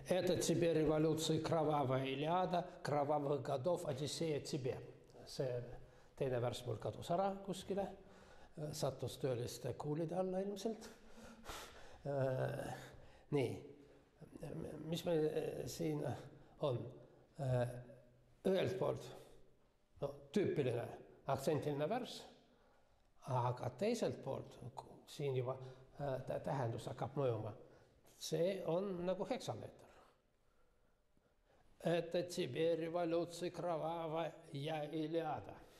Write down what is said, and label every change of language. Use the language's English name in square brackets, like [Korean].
[Russian] Это тебе революции кровавая Илиада, кровавых годов Одиссея тебе. [Estonian] See teine värs mul kadus ära kuskile. Sattus tööliste kuulide alla ilmselt. Nii. Mis me siin on? Öelt poolt no, tüüpiline aktsentiline värs, aga teiselt poolt siin juba tähendus hakkab mõjuma. See on nagu heksameeter. [Russian] Это тебе революция кровавая Илиада.